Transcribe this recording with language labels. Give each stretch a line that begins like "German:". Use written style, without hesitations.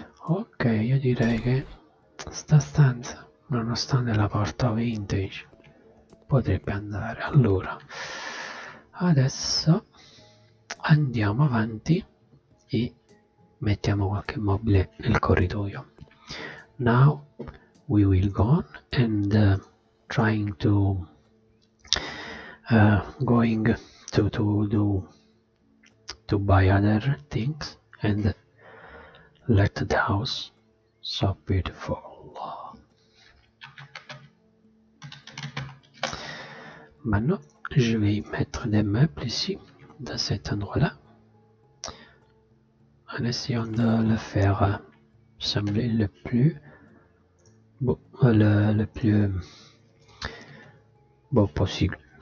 Italian: Ok, io direi che sta stanza, nonostante la porta vintage, potrebbe andare. Allora, adesso andiamo avanti e mettiamo qualche mobile nel corridoio.
English: Now we will go on and trying to going to buy other things and let the house so beautiful.
French: Maintenant, je vais mettre des meubles ici, dans cet endroit-là, en essayant de le faire sembler le plus beau, le plus beau possible.